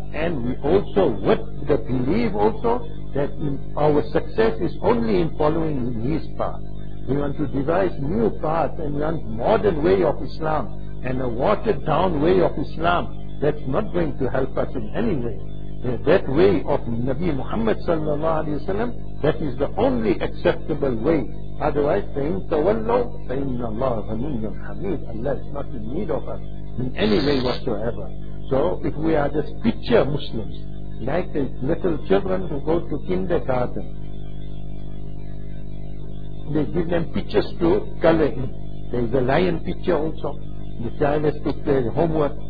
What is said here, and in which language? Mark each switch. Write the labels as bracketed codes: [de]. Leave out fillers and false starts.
[en] And we also, with the belief also, that in our success is only in following his path. We want to devise new paths and want modern way of Islam and a watered down way of Islam. That's not going to help us in any way. That way of Nabi Muhammad sallallahu alayhi wa sallam, that is the only acceptable way. Otherwise, [ar] فَإِن تَوَلَّوْا فَإِنَّ اللَّهَ غَنِيٌّ حَمِيدٌ. [en] Allah is not in need of us in any way whatsoever. So if we are just picture Muslims, like the little children who go to kindergarten, they give them pictures to color in. There is a lion picture also. The child has to play homework.